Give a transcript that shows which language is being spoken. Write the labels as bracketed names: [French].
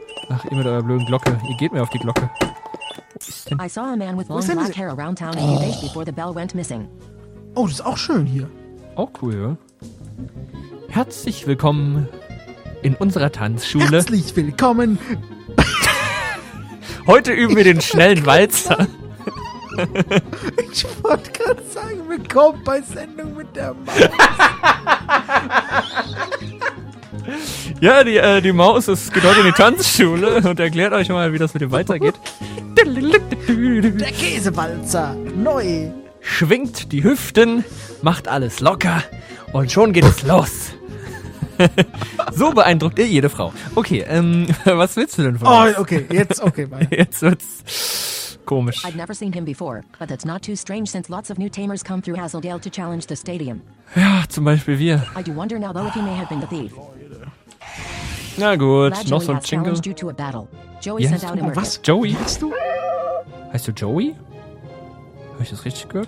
[German] Ach, ihr mit eurer blöden Glocke. Ihr geht mir auf die Glocke. [English] I saw a man with long black hair around town and he waited before the bell went missing. [German] Oh, das ist auch schön hier. Auch cool, ja. Herzlich willkommen in unserer Tanzschule. Herzlich willkommen. Heute üben wir den schnellen Walzer. Ich wollte gerade sagen, willkommen bei Sendung mit der Maus. Ja, die Maus ist gedauert in die Tanzschule und erklärt euch mal, wie das mit dem Walzer geht. Der Käsewalzer, neu. Schwingt die Hüften, macht alles locker und schon geht es los. So beeindruckt ihr jede Frau. Okay, was willst du denn von uns? Oh, okay, jetzt, okay, warte. Jetzt wird's komisch. [English] I've never seen him before, but that's not too strange since lots of new tamers come through Hazeldale to challenge the stadium. [German] Ja, zum Beispiel wir. [English] I do wonder now though if he may have been the thief. [German] Na gut, noch so ein Jingle. [English] Joey sent out [German] was? Joey? Hast du? Heißt du Joey? Hab ich das richtig gehört?